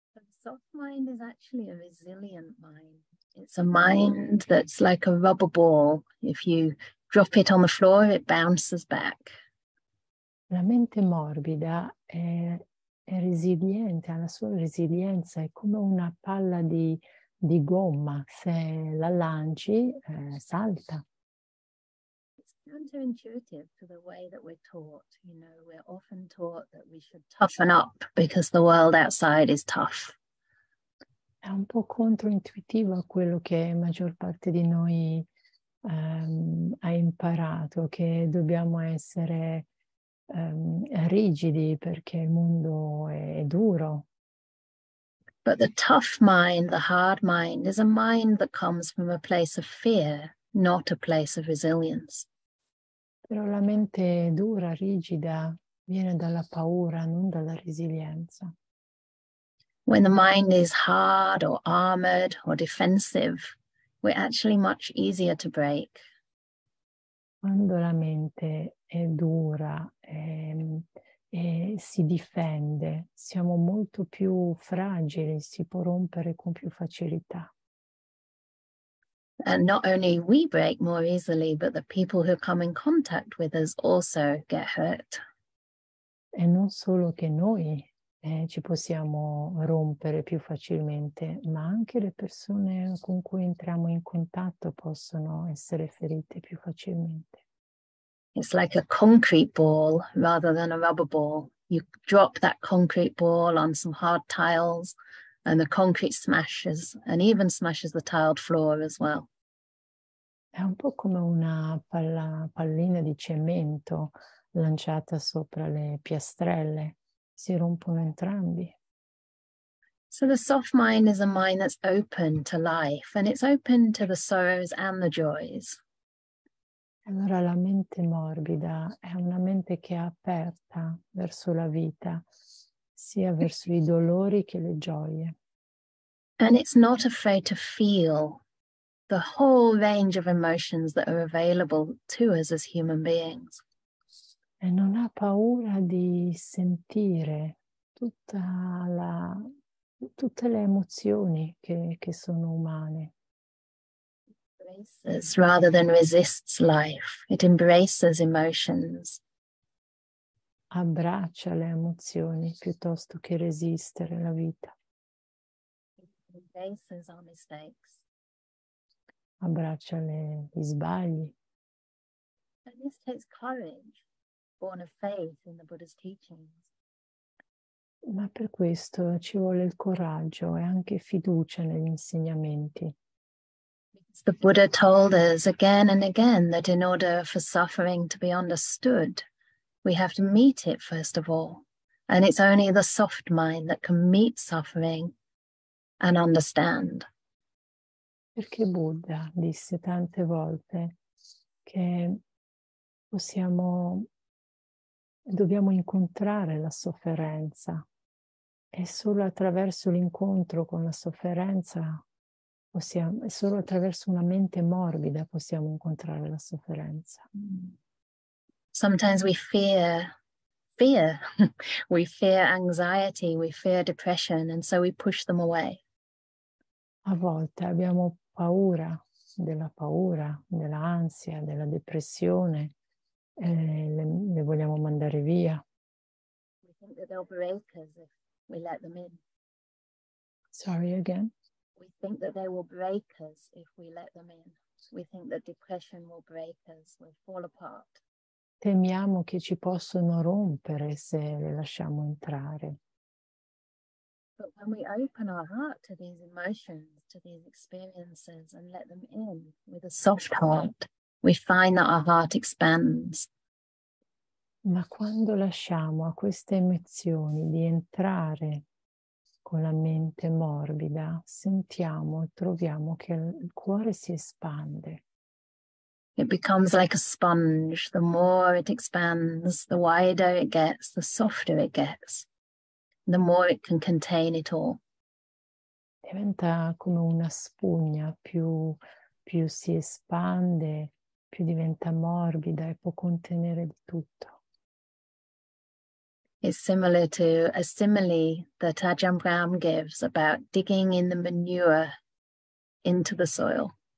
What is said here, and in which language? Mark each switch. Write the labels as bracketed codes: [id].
[en] Soft mind is actually a resilient mind. It's a mind that's like a rubber ball. If you drop it on the floor, it bounces back. [it] La mente morbida è resiliente, ha la sua resilienza, è come una palla di gomma. Se la lanci, salta. [en] It's counterintuitive to the way that we're taught. You know, we're often taught that we should toughen up because the world outside is tough. [it] È un po' controintuitivo a quello che la maggior parte di noi ha imparato, che dobbiamo essere rigidi perché il mondo è duro. [en] But the tough mind, the hard mind, is a mind that comes from a place of fear, not a place of resilience. [it] Però la mente dura, rigida, viene dalla paura, non dalla resilienza. [en] When the mind is hard or armored or defensive, we're actually much easier to break. [it] Quando la mente è dura e si difende, siamo molto più fragili, si può rompere con più facilità. [en] And not only we break more easily, but the people who come in contact with us also get hurt. [it] E non solo che noi ci possiamo rompere più facilmente, ma anche le persone con cui entriamo in contatto possono essere ferite più facilmente. [en] It's like a concrete ball rather than a rubber ball. You drop that concrete ball on some hard tiles and the concrete smashes and even smashes the tiled floor as well. [it] È un po' come una pallina di cemento lanciata sopra le piastrelle. Si rompono entrambi. [en] So the soft mind is a mind that's open to life and it's open to the sorrows and the joys. [it] Allora la mente morbida è una mente che è aperta verso la vita, sia verso i dolori che le gioie. [en] And it's not afraid to feel the whole range of emotions that are available to us as human beings. [it] E non ha paura di sentire tutte le emozioni che sono umane. [en] Embraces rather than resists life. It embraces emotions. [it] abbraccia le emozioni piuttosto che resistere alla vita. [en] He faces our mistakes. [it] Abbraccia gli sbagli. [en] And this takes courage, born of faith in the Buddha's teachings. [it] Ma per questo ci vuole il coraggio e anche fiducia negli insegnamenti. [en] The Buddha told us again and again that in order for suffering to be understood, we have to meet it first of all. And it's only the soft mind that can meet suffering and understand. [it] Perché Buddha disse tante volte che dobbiamo incontrare la sofferenza. È solo attraverso l'incontro con la sofferenza, è solo attraverso una mente morbida possiamo incontrare la sofferenza. [en] Sometimes we fear. We fear anxiety, we fear depression, and so we push them away. [it] A volte abbiamo paura, della paura, dell'ansia, della depressione, e le vogliamo mandare via. [en] We think that they'll break us if we let them in. Sorry, again? We think that they will break us if we let them in. We think that depression will break us, we'll fall apart. [it] Temiamo che ci possono rompere se le lasciamo entrare. [en] But when we open our heart to these emotions, to these experiences, and let them in with a soft heart, we find that our heart expands. [it] Ma quando lasciamo a queste emozioni di entrare con la mente morbida, sentiamo e troviamo che il cuore si espande. [en] It becomes like a sponge. The more it expands, the wider it gets, the softer it gets, the more it can contain it all. [it] Diventa come una spugna, più si espande, più diventa morbida e può contenere di tutto. [en] It's similar to a simile that Ajahn Brahm gives about digging in the manure into the soil.